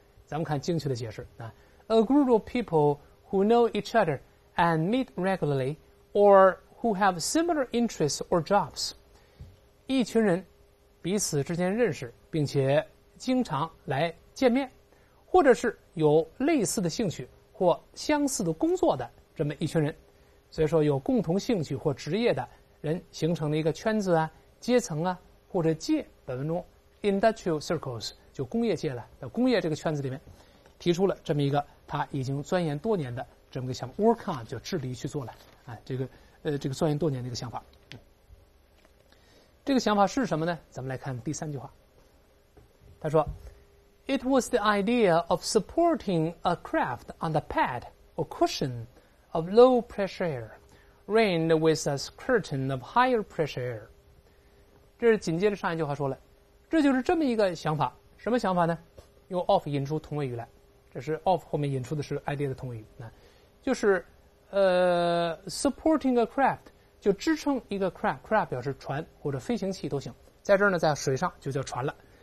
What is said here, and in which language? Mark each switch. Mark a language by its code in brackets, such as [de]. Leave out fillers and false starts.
[en] 咱们看精确的解释a group of people who know each other and meet regularly or who have similar interests or jobs， [zh] 一群人彼此之间认识并且经常来见面，或者是有类似的兴趣或相似的工作的这么一群人。所以说有共同兴趣或职业的人形成了一个圈子啊、阶层啊，或者界，本文中 industrial circles 就工业界了，在工业这个圈子里面提出了这么一个他已经钻研多年的这么个想法 work on 就致力去做了啊，这个钻研多年的一个想法。这个想法是什么呢？咱们来看第三句话。他说 [en] ：“It was the idea of supporting a craft on the pad or cushion of low pressure air, rained with a curtain of higher pressure air。” [zh] 这是紧接着上一句话说了，这就是这么一个想法。什么想法呢？用 of 引出同位语来，这是 of 后面引出的是 idea 的同位语，就是 [en] supporting a craft [zh] 就支撑一个 craft 表示船或者飞行器都行，在这儿呢，在水上就叫船了。